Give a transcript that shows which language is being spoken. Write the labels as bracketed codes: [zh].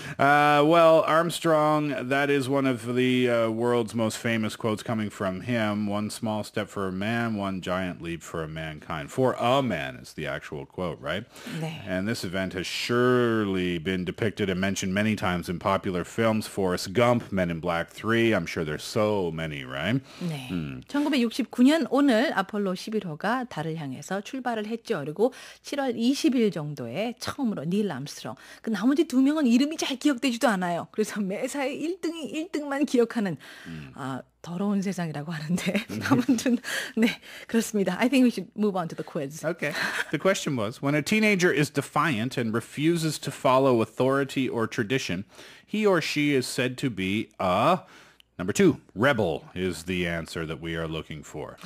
[en] Well, Armstrong, that is one of the world's most famous quotes coming from him. One small step for a man, one giant leap for a mankind. For a man is the actual quote, right? And this event has surely been depicted and mentioned many times in popular films. Forrest Gump, Men in Black 3. I'm sure there's so many, right? [ko] 1969년 오늘 아폴로 11호가 달을 향해서 출발을 했죠. 그리고 7월 20일 정도에 처음으로 닐 암스트롱. 그 나머지 두 명은 이름이 잘 기억되지도 않아요. 그래서 매사에 1등이 1등만 기억하는 아, 더러운 세상이라고 하는데 아무튼 네 그렇습니다. [en] I think we should move on to the quiz. Okay. The question was, when a teenager is defiant and refuses to follow authority or tradition, he or she is said to be a... Number two, rebel is the answer that we are looking for.